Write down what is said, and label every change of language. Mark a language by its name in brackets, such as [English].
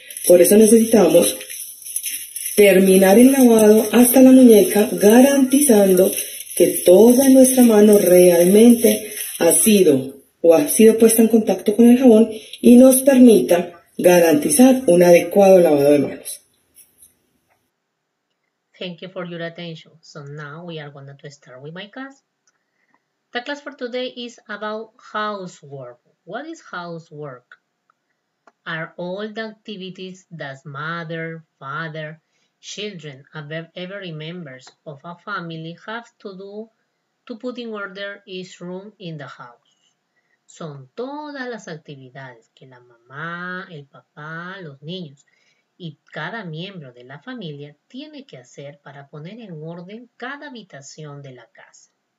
[Spanish] Por eso necesitamos terminar el lavado hasta la muñeca, garantizando que toda nuestra mano realmente ha sido puesta en contacto con el jabón y nos permita garantizar un adecuado lavado de manos. [English] Thank you for your attention. So now we are going to start with my class. The class for today is about housework. What is housework? Are all the activities that mother, father, children, every members of a family have to do to put in order each room in the house. [Spanish] Son todas las actividades que la mamá, el papá, los niños y cada miembro de la familia tiene que hacer para poner en orden cada habitación de la casa.